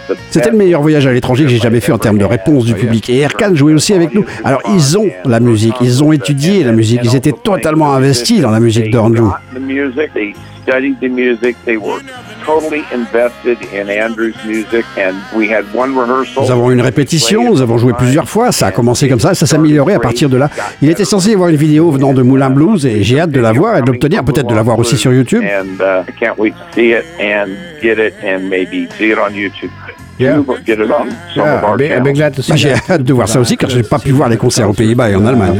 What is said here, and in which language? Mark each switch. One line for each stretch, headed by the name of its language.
French: C'était le meilleur voyage à l'étranger que j'ai jamais fait en termes de réponse du public. Et Erkan jouait aussi avec nous. Alors, ils ont la musique, ils ont étudié la musique, ils étaient totalement investis dans la musique d'Andrew.
English: Studied the music. They were totally invested in Andrew's music, and we had one rehearsal.
French: Nous avons une répétition. Nous avons joué plusieurs fois. Ça a commencé comme ça. Ça s'est amélioré à partir de là. Il était censé y avoir une vidéo venant de Moulin Blues, et j'ai hâte de la voir et d'obtenir peut-être de la voir aussi sur YouTube.
English: I can't wait to see it and get it and maybe see it on YouTube.
French: J'ai hâte de voir ça aussi, car j'ai pas pu voir les concerts aux Pays-Bas et en Allemagne.